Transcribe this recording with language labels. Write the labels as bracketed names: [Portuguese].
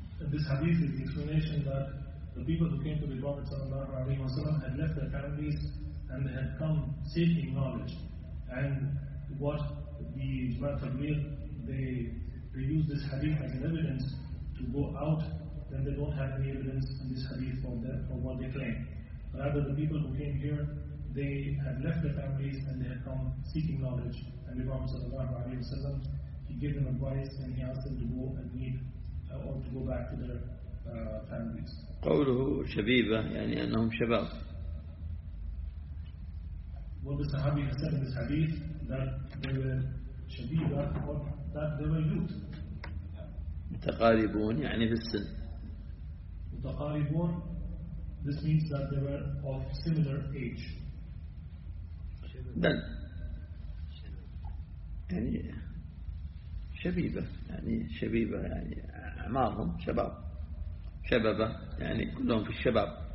[English] This hadith is the explanation that the people who came to the Prophet sallallahu alaihi wasallam had left their families and they had come seeking knowledge, and what the Jamaat Tabligh, they use this hadith as an evidence to go out, then they don't have any evidence in this hadith for what they claim. Rather, the people who came here, they had left their families and they had come seeking knowledge, and the Prophet sallallahu alaihi wasallam, he gave them advice and he asked them to go and meet or to go back to their families. [Arabic] قوله شبيبة يعني أنهم شباب. [English] What the Sahabi said in this hadith that they were شبيبة or that they were youth. [Arabic] متقاربون يعني في السن. [English] متقاربون, this means that they were of similar age. [Arabic] دل يعني شبيبة يعني شبيبة يعني أعمارهم شباب شبابة يعني كلهم في الشباب.